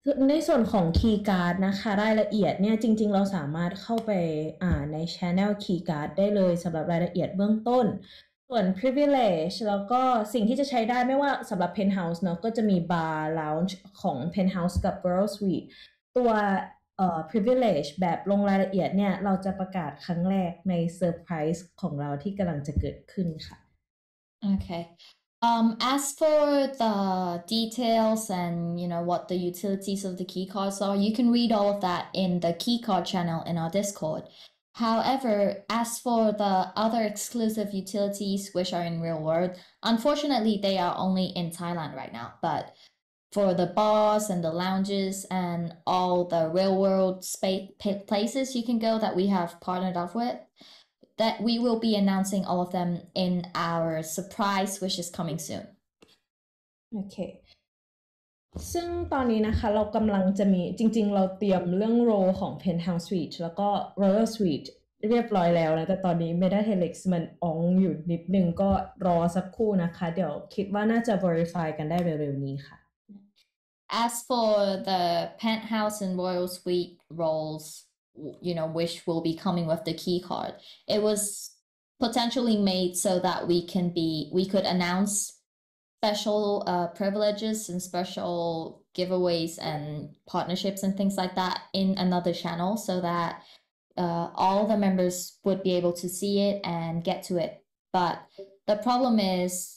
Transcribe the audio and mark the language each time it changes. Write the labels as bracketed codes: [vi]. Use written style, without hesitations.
[th] ในส่วนของคีย์การ์ดนะคะรายละเอียดเนี่ยจริงๆเราสามารถเข้าไปใน channel คีย์การ์ดได้เลยสำหรับรายละเอียดเบื้องต้นส่วน privilege แล้วก็สิ่งที่จะใช้ได้ไม่ว่าสำหรับ penthouse เนาะก็จะมี bar lounge ของ penthouse กับ royal suite ตัว privilege แบบลงรายละเอียดเนี่ยเราจะประกาศครั้งแรกใน surprise ของเราที่กำลังจะเกิดขึ้นค่ะ [en] โอเค as for the details and you know what the utilities of the key cards are you can read all of that in the key card channel in our discordHowever, as for the other exclusive utilities which are in real world, unfortunately, they are only in Thailand right now. But for the bars and the lounges and all the real world places you can go that we have partnered up with, that we will be announcing all of them in our surprise, which is coming soon. Okay. [th] ซึ่งตอนนี้นะคะเรากำลังจะมีจริงๆเราเตรียมเรื่องโรของ Penthouse Suite แล้วก็ Royal Suite เรียบร้อยแล้วนะแต่ตอนนี้ Meta Helix มันอ่องอยู่นิดนึงก็รอสักครู่นะคะเดี๋ยวคิดว่าน่าจะ verify กันได้เร็วๆนี้ค่ะ [en] As for the Penthouse and Royal Suite roles you know which will be coming with the key card it was potentially made so that we could announcespecial privileges and special giveaways and partnerships and things like that in another channel so that all the members would be able to see it and get to it but the problem is